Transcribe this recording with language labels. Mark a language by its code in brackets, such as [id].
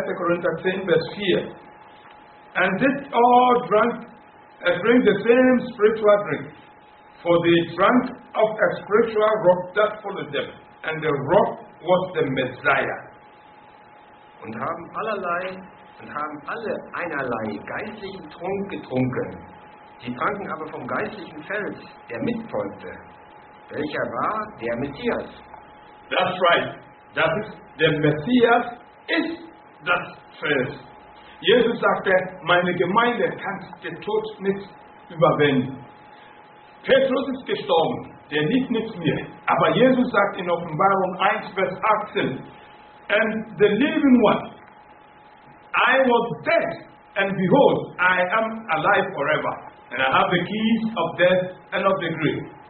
[en] Korinther 10, Vers 4, and this all drank and drink the same spiritual drink. For they drank of a spiritual rock that followed them, and the rock was the Messiah. [de] Und haben allerlei und haben alle einerlei geistlichen Trunk getrunken. Sie tranken aber vom geistlichen Fels, der mitfolgte. Welcher war der Messias? [en] That's right. That is the Messias [de] ist das Fels. Jesus sagte, meine Gemeinde kann den Tod nicht überwinden. Petrus ist gestorben, der liegt nicht mehr. Aber Jesus sagt in Offenbarung 1, Vers 18, [en] and the living one, I was dead, and behold, I am alive forever, and I have the keys of death and of the grave.